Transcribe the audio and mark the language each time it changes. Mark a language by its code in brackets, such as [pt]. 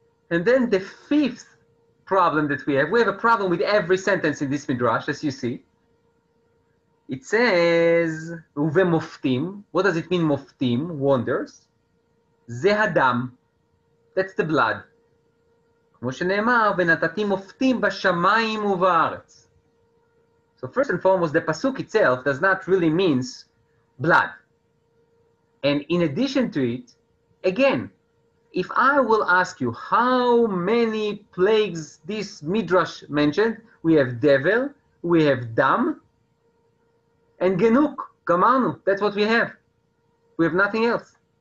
[en] And then the fifth problem that we have a problem with every sentence in this midrash, as you see, It says, [he] Uve moftim. [en] What does it mean, moftim, wonders? [he] Ze hadam. [en] That's the blood. [he] כמו שנאמר, ונתתי מופתים בשמיים ובארץ. [en] So first and foremost, the pasuk itself does not really mean blood. And in addition to it, again, if I will ask you how many plagues this midrash mentioned, we have devil, we have dam, and genuk, gamarnu, that's what we have. We have nothing else.